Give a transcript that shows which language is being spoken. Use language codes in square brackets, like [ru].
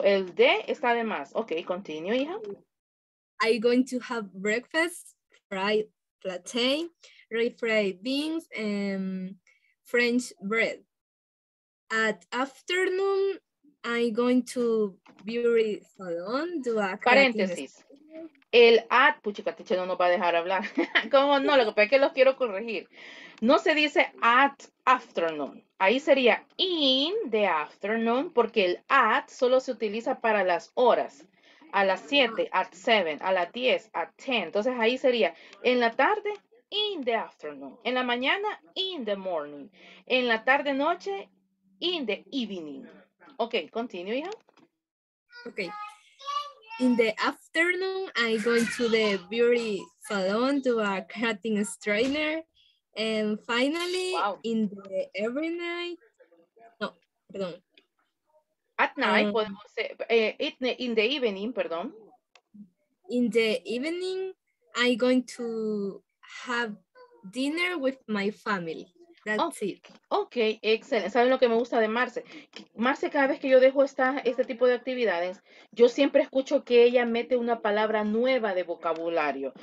[es] El de está de más. [en] Ok, continue, [es] hija. [en] I'm going to have breakfast, fried plantain, refried beans, and French bread. At afternoon, I'm going to beauty salon, do a [es] paréntesis. El at, puchica, teche, no nos va a dejar hablar. ¿Cómo no? Lo que pasa es que los quiero corregir. No se dice [en] at afternoon. [es] Ahí sería [en] in the afternoon, [es] porque el at solo se utiliza para las horas. A las 7, [en] at 7, [es] a las 10, [en] at 10. [es] Entonces ahí sería en la tarde, [en] in the afternoon. [es] En la mañana, [en] in the morning. [es] En la tarde, noche, [en] in the evening. Ok, continue, [es] hija. [en] Ok. In the afternoon, I'm going to the beauty salon to a cutting straightener. And finally, wow. In the every night, [es] no, perdón. [en] At night, [es] podemos decir, [en] in the evening, [es] perdón. [en] In the evening, I'm going to have dinner with my family. That's it. [es] Ok, excelente. ¿Saben lo que me gusta de Marce? Marce, cada vez que yo dejo este tipo de actividades, yo siempre escucho que ella mete una palabra nueva de vocabulario.